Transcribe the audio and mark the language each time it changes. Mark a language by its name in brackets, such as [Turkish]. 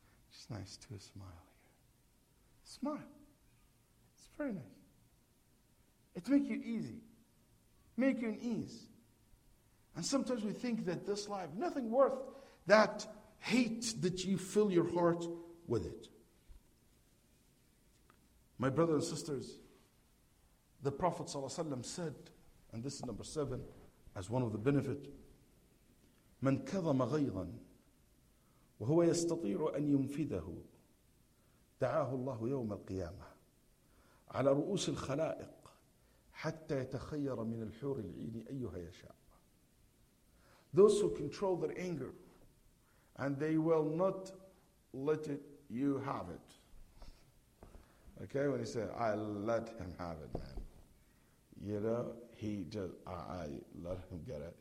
[English] It's nice to smile here. Smile. It's very nice. It makes you easy. Make you an ease. And sometimes we think that this life, nothing worth that hate that you fill your heart with it. My brothers and sisters, the Prophet ﷺ said, and this is number 7, as one of the benefit, [Arabic] من كظم غيظا وهو يستطيع أن ينفذه دعاه الله يوم القيامة على رؤوس الخلائق حتى يتخير من الحور العين أيها يشاء. [English] Those who control their anger and they will not let it, you have it. Okay, when he said, I let him have it, man. You know, he just, I let him get it.